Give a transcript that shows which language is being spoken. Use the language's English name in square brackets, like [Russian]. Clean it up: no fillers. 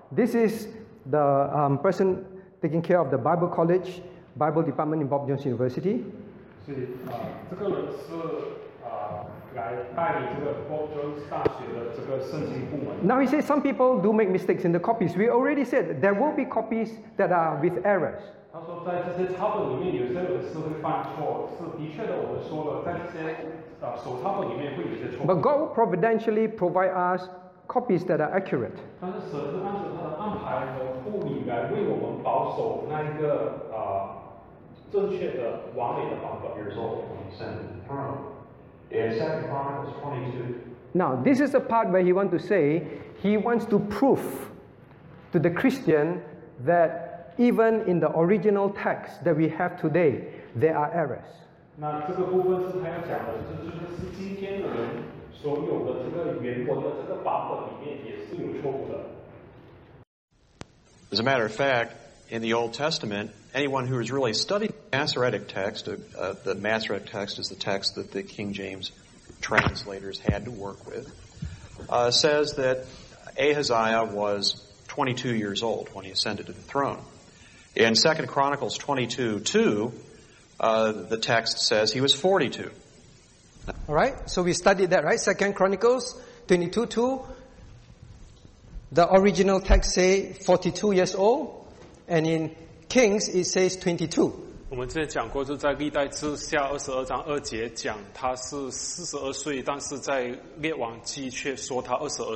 [English] This is the person taking care of the Bible College, Bible Department in Bob Jones University. [Chinese] 这个人是来带领这个 Bob Jones 大学的这个圣经部门。 [English] Now he says some people do make mistakes in the copies. We already said there will be copies that are with errors. [Chinese] 他说在这些抄本里面有些人是会犯错，是的确的，我们说了，在这些手抄本里面会有些错。 [English] But God will providentially provide us copies that are accurate. [Chinese] 但是神是按照他的安排和护理来为我们保守那一个正确的完美的版本。 [English] Here's all the points and confirm. In 2 Chronicles 22. Now this is the part where he wants to say he wants to prove to the Christian that. Even in the original text that we have today, there are errors. [Chinese] 那这个部分是他要讲的，就是今天的人所有的这个原文的这个版本里面也是有错误的。 [English] As a matter of fact, in the Old Testament, anyone who has really studied the Masoretic text, the Masoretic text is the text that the King James translators had to work with, says that Ahaziah was 22 years old when he ascended to the throne. In 2 Chronicles 22:2, the text says he was 42. All right, so we studied that, right? 2 Chronicles 22:2, the original text says 42 years old, and in Kings it says 22. [Chinese] 我们之前讲过，就在历代志下22章2节讲他是42岁，但是在列王记却说他22岁。